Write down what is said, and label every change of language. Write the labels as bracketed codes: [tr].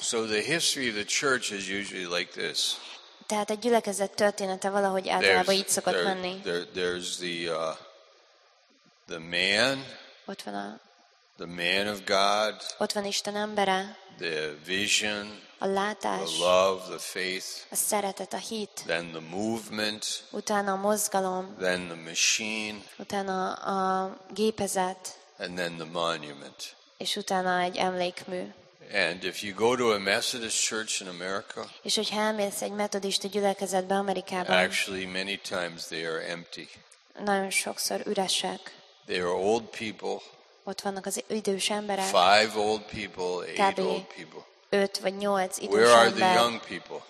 [en] So the history of the church is usually like this. [hu] Tehát egy gyülekezet története valahogy általában így szokott menni. [en] There's the man. [hu] Ott van a. [en] The man of God. [hu] Ott van Isten embere. [en] The vision. [hu] A látás. [en] The love, the faith. [hu] A szeretet, a hit. [en] Then the movement. [hu] Utána a mozgalom. [en] Then the machine. [hu] Utána a gépezet. [en] And then the monument. [hu] És utána egy emlékmű. [en] And if you go to a Methodist church in America, [hu] és hogyha elmész egy metodista gyülekezetbe Amerikában, [en] actually many times they are empty. [hu] Nagyon sokszor üresek. [en] They are old people. [hu] Ott vannak az idős emberek. [en] Five old people, eight old people. [hu] Öt vagy nyolc idős ember. [en] Where are the young people?